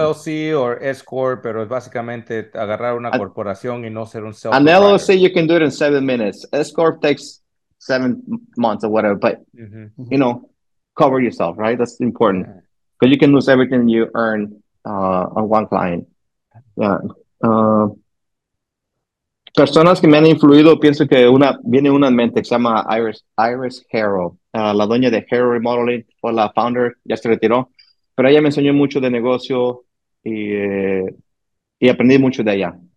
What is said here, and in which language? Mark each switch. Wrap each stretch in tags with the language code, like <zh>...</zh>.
<en>So LLC or S-Corp,</en> <es>pero es básicamente agarrar una corporación y no ser un</es> <en>self-employed. An LLC, you can do it in 7 minutes. S-Corp takes 7 months or whatever, but, you know, cover yourself, right? That's important. Because you can lose everything you earn on one client. Yeah.</en> <es>Personas que me han influido, pienso que viene una en mente que se llama Iris Harrow. La dueña de Harrow Remodeling, o la founder, ya se retiró. Pero ella me enseñó mucho de negocio y aprendí mucho de ella.</es>